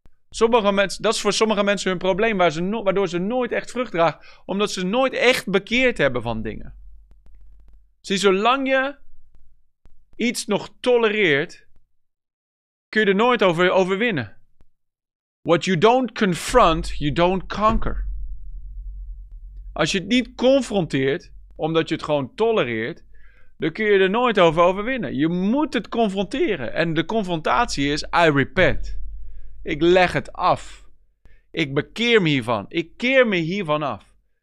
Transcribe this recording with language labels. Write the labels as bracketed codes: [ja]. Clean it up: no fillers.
[nl] Sommige mensen, dat is voor sommige mensen hun probleem waardoor ze nooit echt vrucht dragen. Omdat ze nooit echt bekeerd hebben van dingen. Zie, zolang je iets nog tolereert, kun je er nooit over overwinnen. [en] What you don't confront, you don't conquer. [nl] Als je het niet confronteert, omdat je het gewoon tolereert, dan kun je er nooit over overwinnen. Je moet het confronteren. En de confrontatie is, [en] I repent. [nl] Ik leg het af. Ik bekeer me hiervan. Ik keer me hiervan af.